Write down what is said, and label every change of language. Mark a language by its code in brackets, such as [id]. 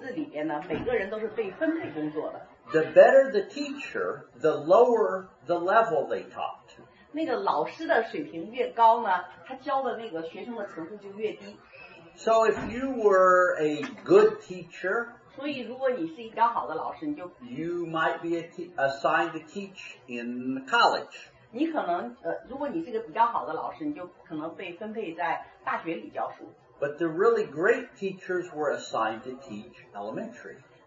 [zh] 在那个苏联的那个体制里边呢，每个人都是被分配工作的。 [en] The better the teacher, the lower the level they taught. [zh] 那个老师的水平越高呢，他教的那个学生的程度就越低。 [en] So if you were a good teacher, [zh] 所以如果你是一个好的老师，你就 [en] You might be assigned to teach in college. [zh] 你可能，如果你是一个比较好的老师，你就可能被分配在大学里教书。 [en] But the really great teachers were assigned to teach elementary.